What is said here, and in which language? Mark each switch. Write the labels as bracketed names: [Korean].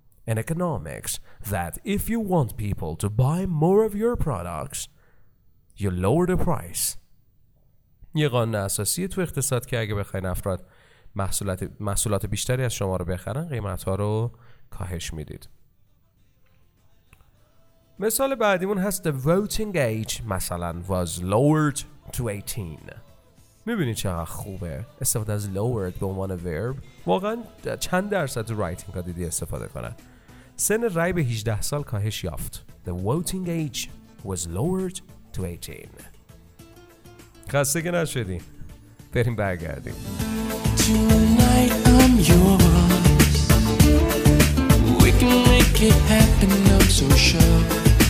[English] In economics that if you want people to buy more of your products, you lower the price. [Persian] یه قانون اساسیه تو اقتصاد که اگه بخواین افراد محصولات بیشتری از شما رو بخرن، قیمت‌ها رو کاهش میدید. مثال بعدیمون هست [English] the voting age مثلا was lowered to 18. [Persian] میبینید چقدر خوبه استفاده از lowered به عنوان verb. واقعا چند درصد رایتینگ ها دیدی استفاده کنن؟ سن رای به 18 سال کاهش یافت. [English] The voting age was lowered to 18. [Persian] خسته که نشدیم، بریم برگردیم. [English] Tonight I'm yours. We can make it happen, I'm so sure.